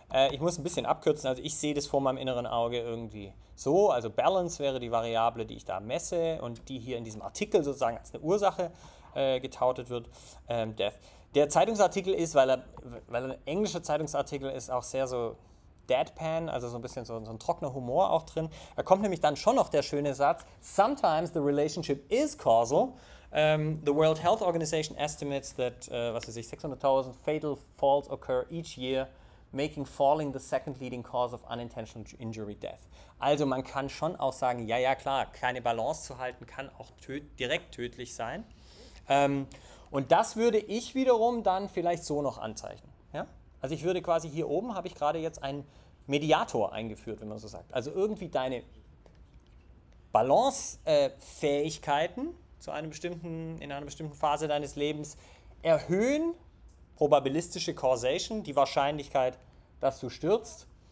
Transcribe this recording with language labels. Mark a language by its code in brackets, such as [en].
[de] Ich muss ein bisschen abkürzen, also ich sehe das vor meinem inneren Auge irgendwie so, also Balance wäre die Variable, die ich da messe und die hier in diesem Artikel sozusagen als eine Ursache getautet wird, Death. Der Zeitungsartikel ist, weil er ein englischer Zeitungsartikel ist, auch sehr so deadpan, also so ein bisschen so ein trockener Humor auch drin. Da kommt nämlich dann schon noch der schöne Satz, [en] sometimes the relationship is causal. The World Health Organization estimates that, [de] was weiß ich, [en] 600.000 fatal falls occur each year, making falling the second leading cause of unintentional injury death. [de] Also man kann schon auch sagen, ja, ja, klar, keine Balance zu halten kann auch direkt tödlich sein. Und das würde ich wiederum dann vielleicht so noch anzeichnen. Ja? Also ich würde quasi hier oben, habe ich gerade jetzt einen Mediator eingeführt, wenn man so sagt. Also irgendwie deine Balancefähigkeiten in einer bestimmten Phase deines Lebens erhöhen probabilistische Causation, die Wahrscheinlichkeit, dass du stürzt.